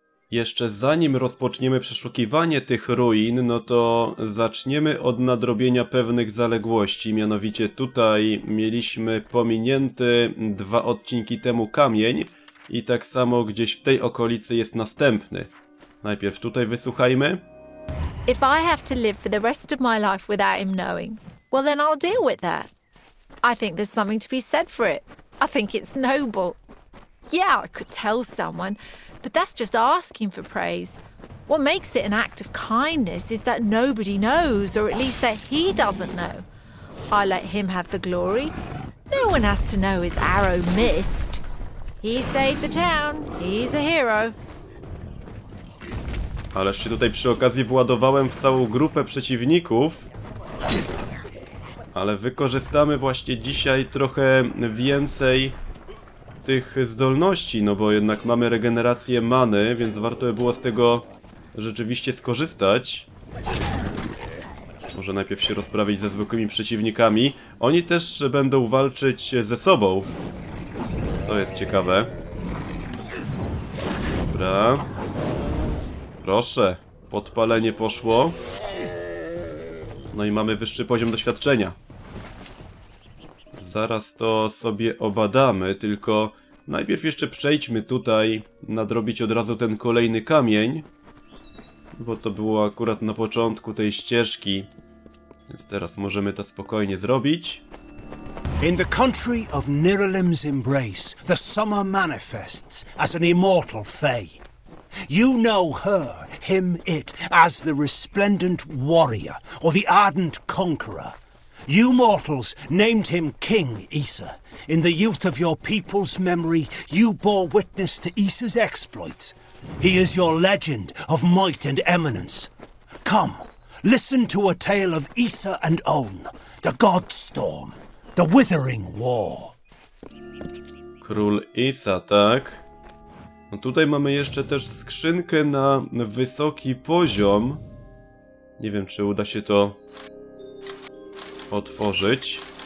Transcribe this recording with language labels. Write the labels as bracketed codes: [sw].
[pl] Jeszcze zanim rozpoczniemy przeszukiwanie tych ruin, no to zaczniemy od nadrobienia pewnych zaległości. Mianowicie tutaj mieliśmy pominięty dwa odcinki temu kamień i tak samo gdzieś w tej okolicy jest następny. Najpierw tutaj wysłuchajmy. [en] If I have to live for the rest of my life without him knowing, well then I'll deal with that. I think there's something to be said for it. I think it's noble. Yeah, I could tell someone, but that's just asking for praise. What makes it an act of kindness is that nobody knows, or at least that he doesn't know. I let him have the glory. No one has to know his arrow missed. He saved the town. He's a hero. [pl] Ależ się tutaj przy okazji władowałem w całą grupę przeciwników. Ale wykorzystamy właśnie dzisiaj trochę więcej tych zdolności, no bo jednak mamy regenerację many, więc warto by było z tego rzeczywiście skorzystać. Może najpierw się rozprawić ze zwykłymi przeciwnikami. Oni też będą walczyć ze sobą. To jest ciekawe. Dobra. Proszę, podpalenie poszło. No i mamy wyższy poziom doświadczenia. Zaraz to sobie obadamy, tylko najpierw jeszcze przejdźmy tutaj, nadrobić od razu ten kolejny kamień. Bo to było akurat na początku tej ścieżki. Więc teraz możemy to spokojnie zrobić. [en] In the country of Nirilim's embrace, the summer manifests as an immortal fae. You know her, him, it, as the resplendent warrior, or the ardent conqueror. You mortals named him King Issa. In the youth of your people's memory, you bore witness to Issa's exploits. He is your legend of might and eminence. Come, listen to a tale of Issa and Own, the God Storm, the Withering War. [pl] Król Issa, tak? No tutaj mamy jeszcze też skrzynkę na wysoki poziom. Nie wiem, czy uda się to otworzyć.